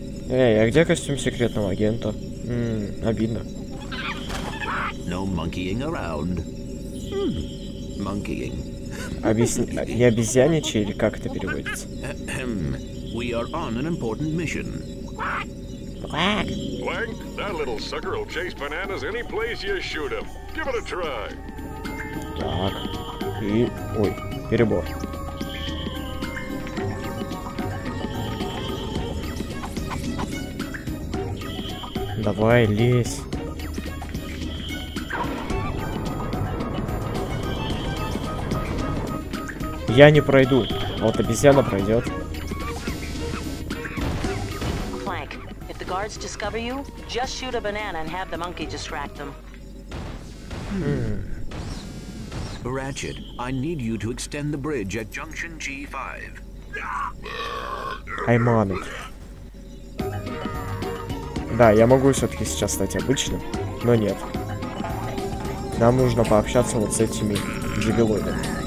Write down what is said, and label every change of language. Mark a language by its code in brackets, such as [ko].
[ru] Эй, а где костюм секретного агента? Обидно. [en] No monkeying around. Monkeying. [ru] Не обезьяничай, или как это переводится? [en] Blank, that little sucker will chase bananas any place you shoot him. Give it a try. [ru] Так, и... Ой, перебор. Давай, лезь. Я не пройду. Вот обезьяна пройдет. [en] Clank, if the guards discover you, just shoot a banana and have the monkey distract them. Ratchet, I need you to extend the bridge at junction G5. I'm on it. [ru] Да, я могу все-таки сейчас стать обычным, но нет. Нам нужно пообщаться вот с этими дебилоидами.